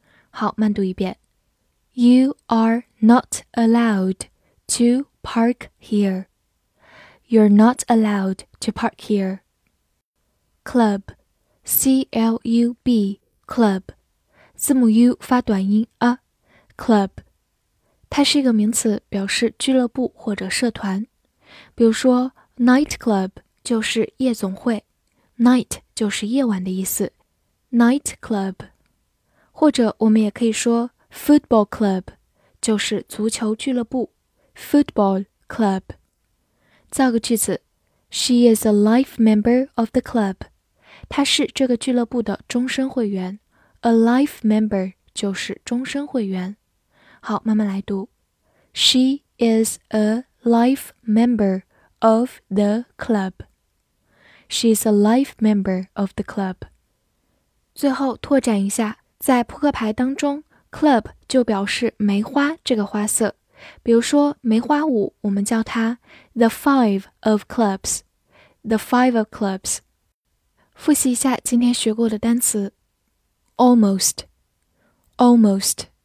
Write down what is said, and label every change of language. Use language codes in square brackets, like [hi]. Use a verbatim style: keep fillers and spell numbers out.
[zh] 好，慢读一遍。 [en] You are not allowed to park here. You are not allowed to park here. Club, C L U B, club, [zh] 字母 U 发短音 a, club。 它是一个名词，表示俱乐部或者社团。比如说 night club 就是夜总会 ，night 就是夜晚的意思 ，night club。或者我们也可以说 football club 就是足球俱乐部 ，football club。造个句子 [en] ，She is a life member of the club。 [zh] 她是这个俱乐部的终身会员 ，a life member 就是终身会员。好，慢慢来读 [en] ，She is a life member of the club. She is a life member of the club. [zh] 最后拓展一下，在扑克牌当中 ，club 就表示梅花这个花色，比如说梅花五，我们叫它 [en] the five of clubs. The five of clubs. [zh] 复习一下今天学过的单词 [en] ，almost, almost.